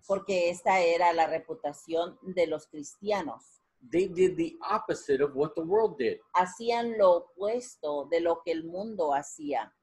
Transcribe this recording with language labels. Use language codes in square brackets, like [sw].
[es] Porque esta era la reputación de los cristianos. [en] They did the opposite of what the world did. [es] Hacían lo opuesto de lo que el mundo hacía.